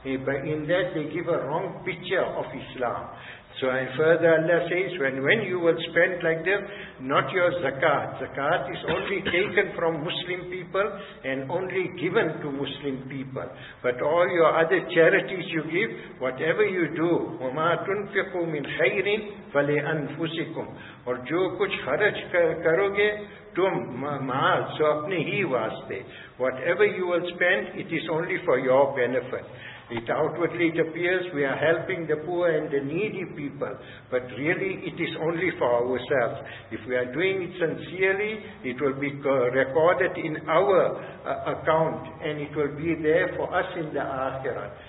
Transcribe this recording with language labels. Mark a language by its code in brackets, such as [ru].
[en] But in that they give a wrong picture of Islam. So and further Allah says, when you will spend like this, not your zakat. Zakat is only taken from Muslim people and only given to Muslim people. But all your other charities you give, whatever you do, [ar] وَمَا تُنْفِقُوا مِنْ خَيْرٍ فَلِأَنفُسِكُمْ [ur] اور جو کچھ خرج کروگے تم مال سو اپنے ہی واسطے. [en] Whatever you will spend, it is only for your benefit. It outwardly it appears we are helping the poor and the needy people, but really it is only for ourselves. If we are doing it sincerely, it will be recorded in our account and it will be there for us in the akhirah.